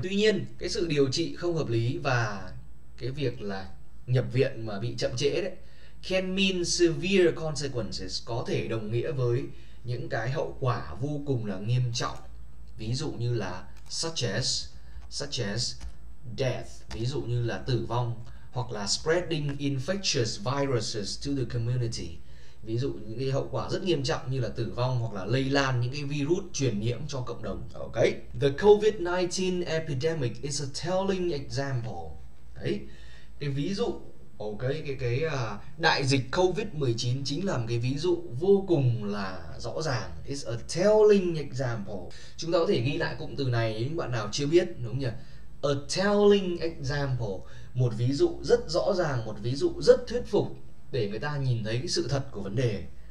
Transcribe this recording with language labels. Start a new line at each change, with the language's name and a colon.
Vietnamese: Tuy nhiên cái sự điều trị không hợp lý và cái việc là nhập viện mà bị chậm trễ đấy,
English: can mean severe consequences,
Vietnamese: có thể đồng nghĩa với những cái hậu quả vô cùng là nghiêm trọng, ví dụ như là
English: such as death,
Vietnamese: ví dụ như là tử vong, hoặc là
English: spreading infectious viruses to the community,
Vietnamese: ví dụ những cái hậu quả rất nghiêm trọng như là tử vong hoặc là lây lan những cái virus truyền nhiễm cho cộng đồng.
English: Ok, the COVID-19 epidemic is a telling example.
Vietnamese: Đấy, cái ví dụ, ok, cái đại dịch COVID-19 chính là một cái ví dụ vô cùng là rõ ràng.
English: It's a telling example.
Vietnamese: Chúng ta có thể ghi lại cụm từ này nếu bạn nào chưa biết, đúng không nhỉ?
English: A telling example,
Vietnamese: một ví dụ rất rõ ràng, một ví dụ rất thuyết phục để người ta nhìn thấy cái sự thật của vấn đề.